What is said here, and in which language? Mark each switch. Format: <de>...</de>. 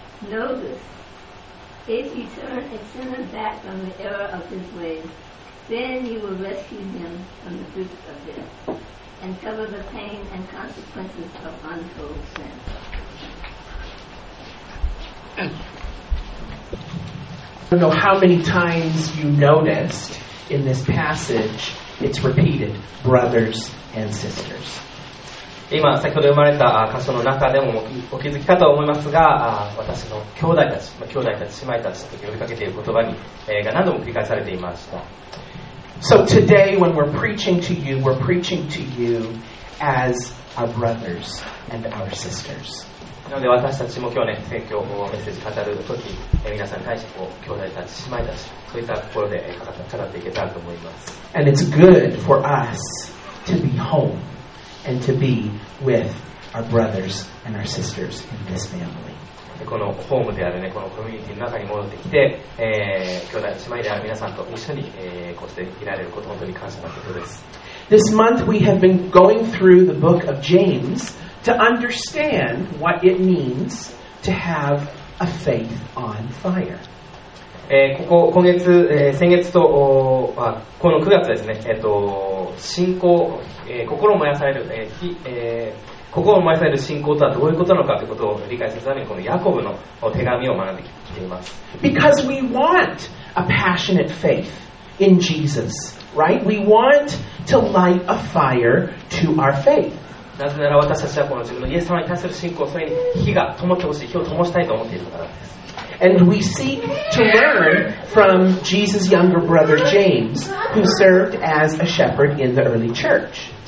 <en>Know this, if you turn a sinner back from the error of his ways, then you will rescue him from the grip of death and cover the pain and consequences of untold sin. I don't know how many times you noticed in this passage it's repeated, brothers and sisters.</en> <ja>今先ほど読まれた箇所の中でもお気づきかと思いますが、私の兄弟たち、兄弟たち、姉妹たちと呼びかけている言葉が何度も繰り返されていました。</ja> <en>So today when we're preaching to you, we're preaching to you as our brothers and our sisters.</en> <ja>なので私たちも今日ね、宣教をメッセージ語るとき、皆さんに対してこう兄弟たち、姉妹たち、そういったところで語っていけたらと思います。</ja> <en>And it's good for us to be home and to be with our brothers and our sisters in this family.</en> <ja>このホームであるね、このコミュニティの中に戻ってきて、兄弟、姉妹である皆さんと一緒に、こうしていられること、本当に感謝なことです。</ja> <en>This month we have been going through the book of James. To understand what it means to have a faith on fire.</en> <ja>ここ今月、先月と、この9月ですね、信仰、心を燃やされる、心を燃やされる信仰とはどういうことなのかということを理解するためにこのヤコブの手紙を学んできています。</ja> <en>Because we want a passionate faith in Jesus, right? We want to light a fire to our faith.</en> <ja>なぜなら私たちはこの自分のイエス様に対する信仰、それに火が灯ってほしい、火を灯したいと思っているからです。</ja> <en>And we seek to learn from Jesus' younger brother James, who served as a shepherd in the early church.</en>